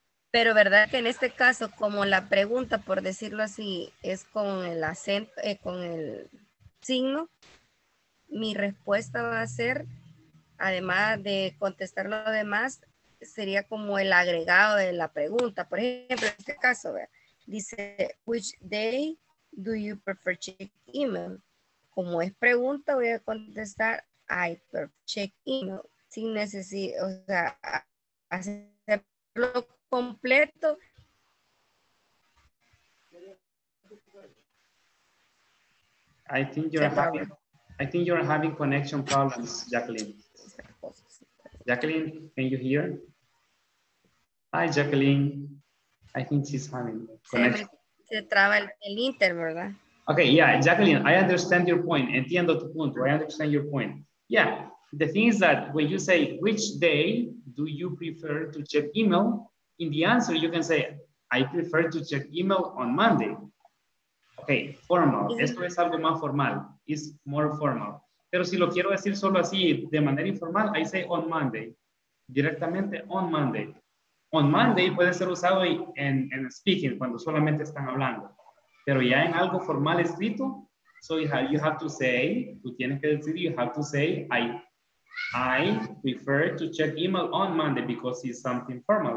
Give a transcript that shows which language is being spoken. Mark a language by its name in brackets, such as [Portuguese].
[Spanish] Pero verdad que en este caso, como la pregunta, por decirlo así, es con el acento, con el signo, mi respuesta va a ser, además de contestar lo demás, sería como el agregado de la pregunta. Por ejemplo, en este caso, ¿verdad? Dice, [English] which day do you prefer check email? [Spanish] Como es pregunta, voy a contestar, [English] I prefer check email. [Spanish] Sin necesidad, o sea, hacerlo completo. [English] I think you're having connection problems, Jacqueline. Jacqueline, can you hear? Hi, Jacqueline. I think she's having [Spanish] connection. Se traba el inter, ¿verdad? [English] Okay, yeah, Jacqueline, I understand your point. [Spanish] Entiendo tu punto. [English] I understand your point. Yeah, the thing is that when you say, which day do you prefer to check email? In the answer, you can say, I prefer to check email on Monday. Okay, formal. [Spanish] Esto es algo más formal. [English] It's more formal. [Spanish] Pero si lo quiero decir solo así, de manera informal, [English] I say on Monday. [Spanish] Directamente [English] on Monday. On Monday [Spanish] puede ser usado en speaking, cuando solamente están hablando. Pero ya en algo formal escrito, [English] so you have to say, [Spanish] tú tienes que decir, [English] you have to say, I prefer to check email on Monday because it's something formal.